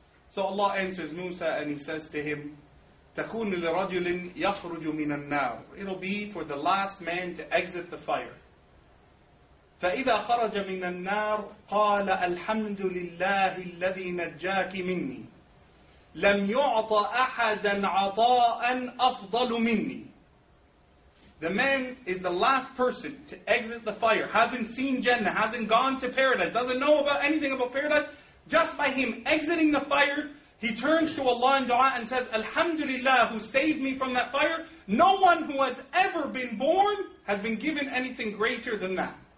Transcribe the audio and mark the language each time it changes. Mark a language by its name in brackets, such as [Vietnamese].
[English] So Allah answers Musa and he says to him, [Arabic] تكون لرجل يخرج من النار. [English] It'll be for the last man to exit the fire. [Arabic] فإذا خرج من النار قال الحمد لله الذي نجاك مني لم يعط أحدا عطاء أفضل مني. [English] The man is the last person to exit the fire. Hasn't seen Jannah, hasn't gone to paradise, doesn't know about anything about paradise. Just by him exiting the fire, he turns to Allah in dua and says, Alhamdulillah, who saved me from that fire. No one who has ever been born has been given anything greater than that.